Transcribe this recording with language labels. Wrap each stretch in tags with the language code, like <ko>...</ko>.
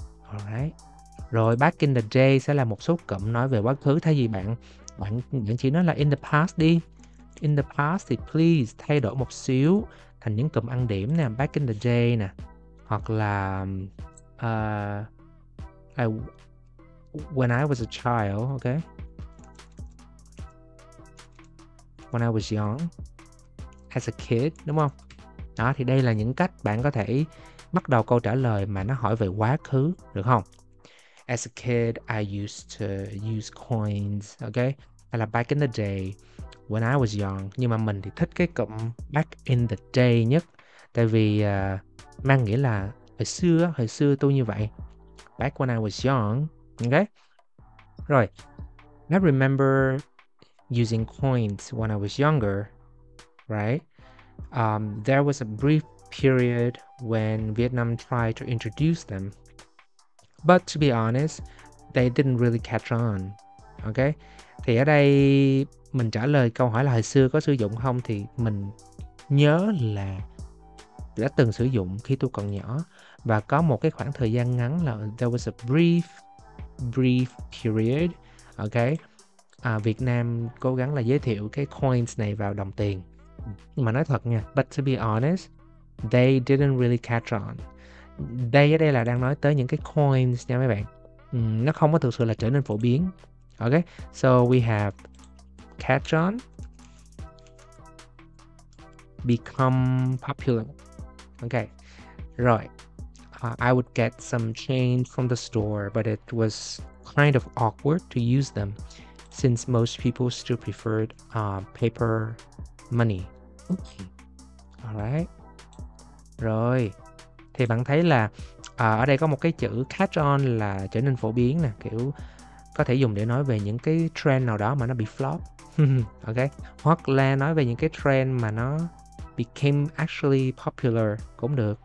<vi>Alright. Rồi</vi> <en>back in the day</en> <vi>sẽ là một số cụm nói về quá khứ. Thay vì bạn bạn bạn chỉ nói là</vi> <en>in the past</en> <vi>đi.</vi> <en>In the past</en> <vi>thì please thay đổi một xíu thành những cụm ăn điểm nè,</vi> <en>back in the day</en> <vi>nè. Hoặc là</vi> <en>when I was a child, okay? When I was young, as a kid, đúng không?</en> <vi>Đó, thì đây là những cách bạn có thể bắt đầu câu trả lời mà nó hỏi về quá khứ, được không?</vi> <en>As a kid, I used to use coins, ok?</en> <vi>Hay là</vi> <en>back in the day, when I was young.</en> <vi>Nhưng mà mình thì thích cái cụm</vi> <en>back in the day</en> <vi>nhất. Tại vì mang nghĩa là hồi xưa tôi như vậy.</vi> <en>Back when I was young, ok?</en> <vi>Rồi,</vi> <en>I remember using coins when I was younger, right? There was a brief period when Vietnam tried to introduce them. But to be honest, they didn't really catch on. Ok?</en> <vi>Thì ở đây mình trả lời câu hỏi là hồi xưa có sử dụng không, thì mình nhớ là đã từng sử dụng khi tôi còn nhỏ và có một cái khoảng thời gian ngắn là</vi> <en>there was a brief period.</en> <vi>Ok, Việt Nam cố gắng là giới thiệu cái coins này vào đồng tiền. Nhưng mà nói thật nha,</vi> <en>but to be honest, they didn't really catch on.</en> <vi>Đây ở đây là đang nói tới những cái coins nha mấy bạn. Nó không có thực sự là trở nên phổ biến.</vi> <en>Ok, so we have catch on, become popular.</en> <vi>Ok, rồi.</vi> <en>I would get some change from the store, but it was kind of awkward to use them since most people still preferred paper money. Okay. Alright.</en> <vi>Rồi. Thì bạn thấy là ở đây có một cái chữ</vi> <en>catch on</en> <vi>là trở nên phổ biến nè, kiểu có thể dùng để nói về những cái trend nào đó mà nó bị flop. Ok. Hoặc là nói về những cái trend mà nó</vi> <en>became actually popular</en> <vi>cũng được.</vi>